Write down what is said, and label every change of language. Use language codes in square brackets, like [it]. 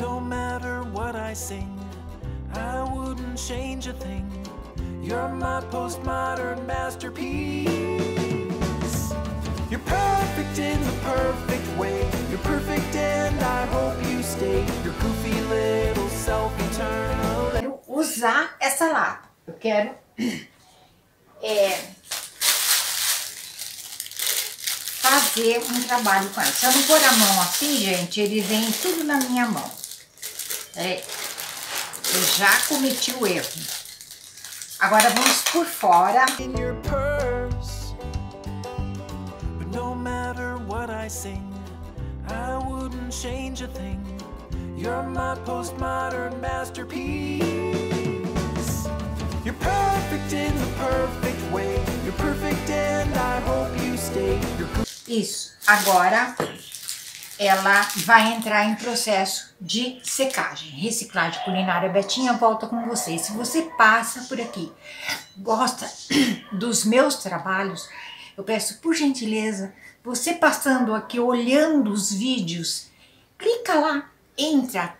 [en] No matter what I sing, I wouldn't change a thing. You're my postmodern masterpiece. You're perfect in the perfect way. You're perfect and I hope you stay. Your goofy little self eternal. [pt] Usar essa lata. Eu quero fazer um trabalho com ela. Se eu não pôr a mão assim, gente, ele vem tudo na minha mão. Eu já cometi o erro. Agora vamos por fora. [en] In your purse. But no matter what I sing, I wouldn't change a thing. You're my postmodern masterpiece. You're perfect in the perfect way. You're perfect and I hope you stay. [pt] Isso. Agora ela vai entrar em processo de secagem. Reciclagem Culinária Betinha volta com você. Se você passa por aqui, gosta dos meus trabalhos, eu peço por gentileza, você passando aqui, olhando os vídeos, clica lá, entra.